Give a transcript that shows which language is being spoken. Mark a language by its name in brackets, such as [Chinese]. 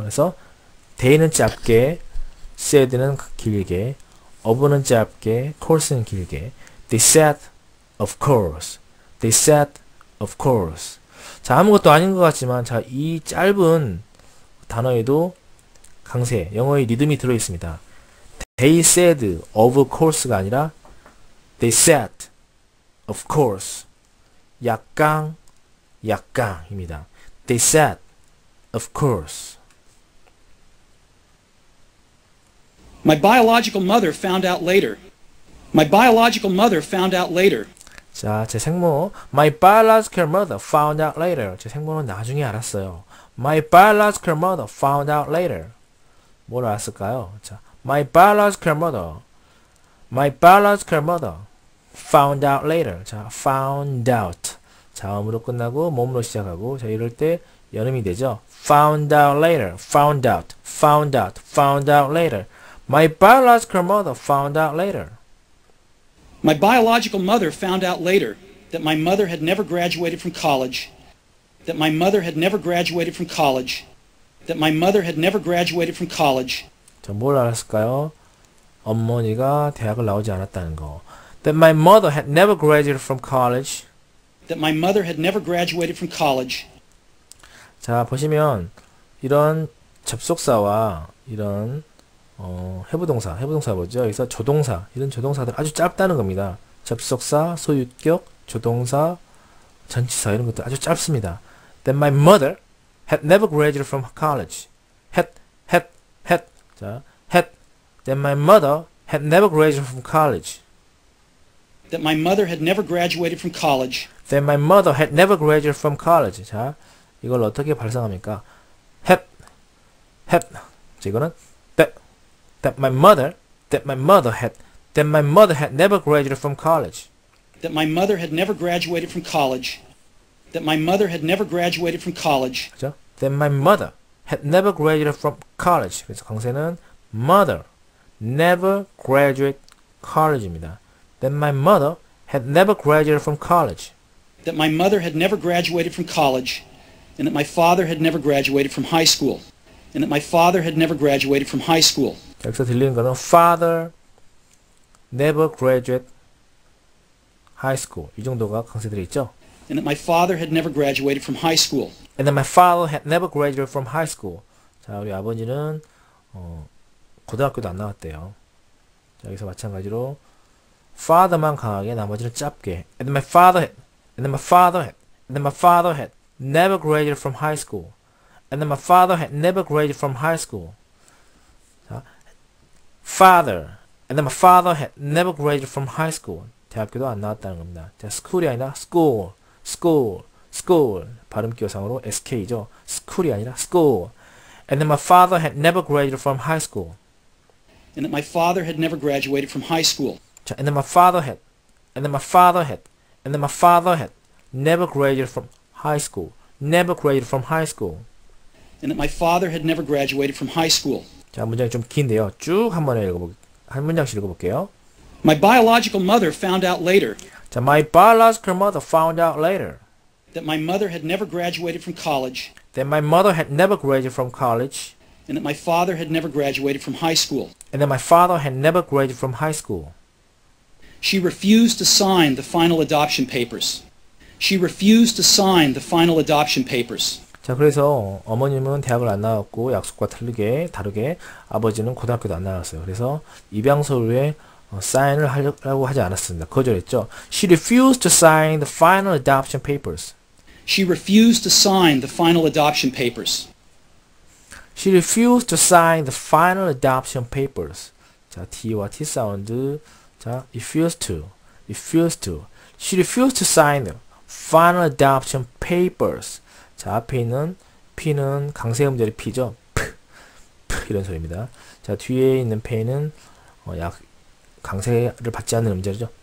[Korean] 그래서, they는 짧게, said는 길게, of는 짧게, course는 길게. [English] They said, of course. They said, of course. [Korean] 자, 아무것도 아닌 것 같지만, 자, 이 짧은 단어에도 강세, 영어의 리듬이 들어 있습니다. [English] They said of course [Korean] 가 아니라 [English] they said of course. [Korean] 약강, 약강입니다. [English] They said of course. My biological mother found out later. My biological mother found out later. [Korean] 자, 제 생모. [English] My biological mother found out later. [Korean] 제 생모는 나중에 알았어요. [English] My biological mother found out later. [Korean] 뭘 알았을까요? [English] 자, my biological mother. My biological mother found out later. 자, found out. [Korean] 자음으로 끝나고 몸으로 시작하고 자 이럴 때 연음이 되죠. [English] Found out later. Found out. Found out. Found out later. My biological mother found out later. My biological mother found out later that my mother had never graduated from college. That my mother had never graduated from college. That my mother had never graduated from college. [Korean] 자, 뭘 알았을까요? 어머니가 대학을 나오지 않았다는 거. [English] That my mother had never graduated from college. That my mother had never graduated from college. [Korean] 자, 보시면 이런 접속사와 이런 해부동사, 해부동사 뭐죠? 여기서 조동사, 이런 조동사들 아주 짧다는 겁니다. 접속사, 소유격, 조동사, 전치사 이런 것도 아주 짧습니다. [English] That my mother had never graduated from college. Had. 자, had. That my mother had never graduated from college. That my mother had never graduated from college. That my mother had never graduated from college. [Korean] 자, 이걸 어떻게 발상합니까? [English] Had. 자, 이거는 that my mother had never graduated from college. That my mother had never graduated from college. That my mother had never graduated from college. [Korean] 그렇죠? [English] That my mother had never graduated from college. [Korean] 그래서 강세는 [English] mother never graduate college입니다. That my mother had never graduated from college. That my mother had never graduated from college, and that my father had never graduated from high school. And that my father had never graduated from high school. 자, [Korean] 여기서 들리는 거는 [English] father never graduate high school. [Korean] 이 정도가 강세들이 있죠? [English] And that my father had never graduated from high school. And that my father had never graduated from high school. [Korean] 자, 우리 아버지는 고등학교도 안 나왔대요. 자, 여기서 마찬가지로 father만 강하게 나머지는 짧게. [English] And that my father had never graduated from high school. And then my father had never graduated from high school. 자, father. And then my father had never graduated from high school. [Korean] 대학교도 안 나왔다는 겁니다. [English] 자, school [Korean] 이 아니라 [English] school. School. School. [Korean] 발음 기호상으로 SK죠. School이 아니라 school. [English] And then my father had never graduated from high school. And then my father had never graduated from high school. 자, and then my father had. And then my father had. And then my father had never graduated from high school. Never graduated from high school. And that my father had never graduated from high school. [Korean] 자, 문장이 좀 긴데요. 쭉 한 번에 한 문장씩 읽어볼게요. [English] My biological mother found out later. 자, my biological mother found out later. That my mother had never graduated from college. That my mother had never graduated from college. And that my father had never graduated from high school. And that my father had never graduated from high school. She refused to sign the final adoption papers. She refused to sign the final adoption papers. [Korean] 자, 그래서 어머님은 대학을 안 나왔고 약속과 다르게 아버지는 고등학교도 안 나왔어요. 그래서 입양서류에 사인을 하려고 하지 않았습니다. 거절했죠. [English] She refused to sign the final adoption papers. She refused to sign the final adoption papers. She refused to sign the final adoption papers. 자, [Korean] T와 T 사운드. [English] 자, refused to. Refused to. She refused to sign the final adoption papers. [Korean] 자, 앞에 있는 P는 강세음절이 P죠. P, P 이런 소리입니다. 자, 뒤에 있는 P는 강세를 받지 않는 음절이죠.